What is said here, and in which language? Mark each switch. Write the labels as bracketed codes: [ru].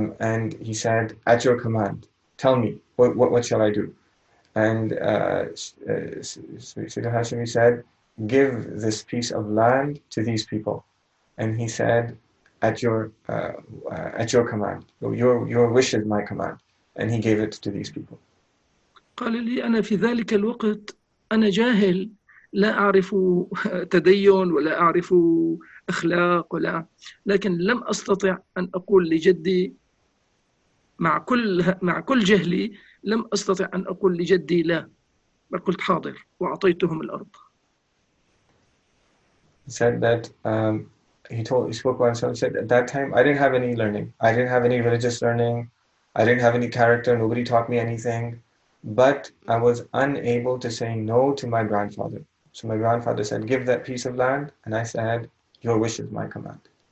[en] And he said, "At your command, tell me, what shall I do?" And Sayyidina Hashimi said, "Give this piece of land to these people." And he said, "At your command, your wish is my command." And he gave it to these people. [ar] قال لي أنا في ذلك الوقت أنا جاهل لا أعرف تدين ولا أعرف أخلاق ولا لكن لم أستطع أن أقول لجدي مع كل جهلي لم أستطع أن أقول لجدي لا بل قلت حاضر وأعطيتهم الأرض [en] Said that he spoke once and said, "At that time I didn't have any learning, I didn't have any religious learning, I didn't have any character, nobody taught me anything, but I was unable to say no to my grandfather. So my grandfather said, 'Give that piece of land,' and I said, 'Your wish is my command.'"